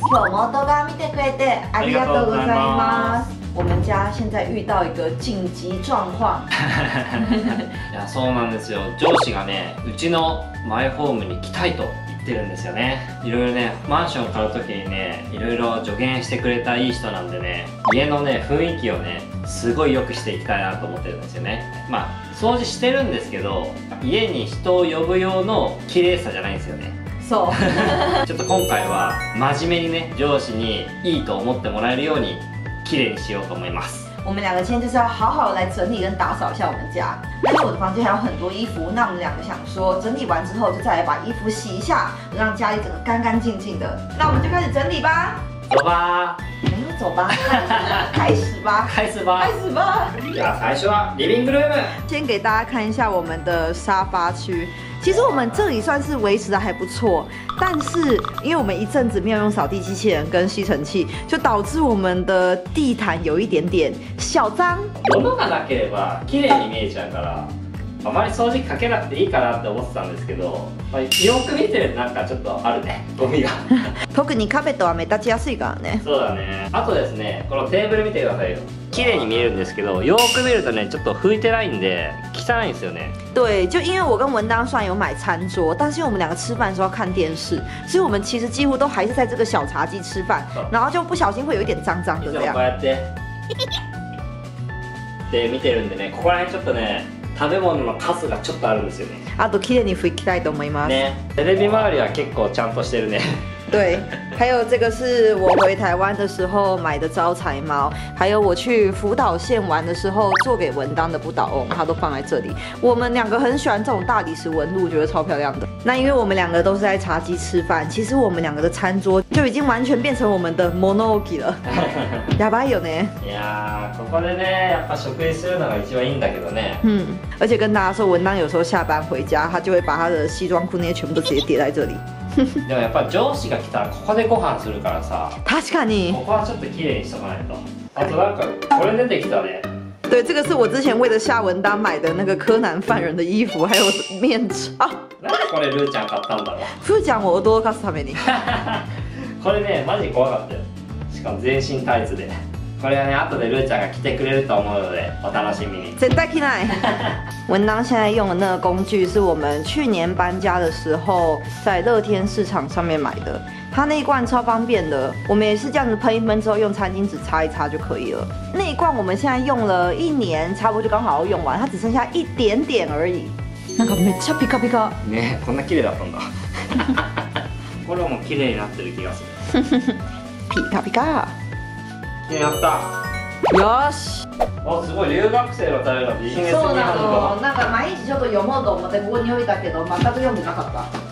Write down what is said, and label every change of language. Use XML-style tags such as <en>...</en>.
<ja>今日も動画見てくれてありがとうございます。</ja> <zh>我们家现在遇到一个紧急状况。</zh> <ja>いや、そうなんですよ。上司がね、うちのマイホームに来たいと言ってるんですよね。いろいろね、マンションを買うときにね、いろいろ助言してくれたいい人なんでね、家のね、雰囲気をね、すごい良くしていきたいなと思ってるんですよね。まあ、掃除してるんですけど、家に人を呼ぶ用の綺麗さじゃないんですよね。そう。ちょっと今回は、真面目にね、上司にいいと思ってもらえるように、綺麗にしようと思います。</ja> <zh>我们两个今天就是要好好来整理跟打扫一下我们家，因为我的房间还有很多衣服，那我们两个想说整理完之后就再来把衣服洗一下，让家里整个干干净净的。那我们就开始整理吧，走吧，没有走吧，开始吧，开始吧，开始吧。呀，最初啊 ，</zh> <en>living room，</en> <zh>先给大家看一下我们的沙发区。其实我们这里算是维持的还不错，但是因为我们一阵子没有用扫地机器人跟吸尘器，就导致我们的地毯有一点点小脏。</zh> <ja>物がなければ綺麗に見えちゃうから、あまり掃除かけなくていいかなって思ってたんですけど、よく見てるとなんかちょっとあるね、ゴミが。特にカーペットは目立ちやすいからね。そうだね。あとですね、このテーブル見てくださいよ。綺麗に見えるんですけど、よく見るとね、ちょっと拭いてないんで汚いんですよね。</ja> <zh>对，就因为我跟文当虽然有买餐桌，但是因为我们两个吃饭的时候要看电视，所以我们其实几乎都还是在这个小茶几吃饭，然后就不小心会有一点脏脏的这样。</zh> <ja>こうやって、で見てるんでね、ここら辺ちょっとね、食べ物のカスがちょっとあるんですよね。あと綺麗に拭きたいと思います。ね、テレビ周りは結構ちゃんとしてるね。</ja> <zh>对，还有这个是我回台湾的时候买的招财猫，还有我去福岛县玩的时候做给文当的不倒翁，它都放在这里。我们两个很喜欢这种大理石纹路，觉得超漂亮的。那因为我们两个都是在茶几吃饭，其实我们两个的餐桌就已经完全变成我们的 monogi 了。</zh> <ja>やばいよね。いやここでね、やっぱ食事するのが一番いいんだけどね。</ja> <zh>嗯，而且跟大家说，文当有时候下班回家，他就会把他的西装裤那些全部直接叠在这里。</zh> <ja>でもやっぱ上司が来たらここでご飯するからさ、確かにここはちょっと綺麗にしとかないと。あとなんかこれ出てきたね。</ja> <zh>对，这个是我之前为了夏文丹买的那个柯南犯人的衣服，还有面罩。</zh> <ja>なんでこれルーちゃん買ったんだろう。ルーちゃんを驚かすために。これねマジ怖かったよ。しかも全身タイツで。これはね後でルーちゃんが来てくれると思うのでお楽しみに。絶対来ない。</ja> <zh>文当现在用的那个工具是我们去年搬家的时候在乐天市场上面买的，它那一罐超方便的，我们也是这样子喷一喷之后用餐巾纸擦一擦就可以了。那一罐我们现在用了一年，差不多就刚好要用完，它只剩下一点点而已。</zh> <ja>なんかめっちゃピカピカ。ね、こんな綺麗だったんだ。これも綺麗になってる気がする。ピカピカ。綺麗になった。よし。哦，すごい留学生のためのビジネスになるの。なんか毎日ちょっと読もうと思ってここに置いたけど全く読んでなかった。</ja>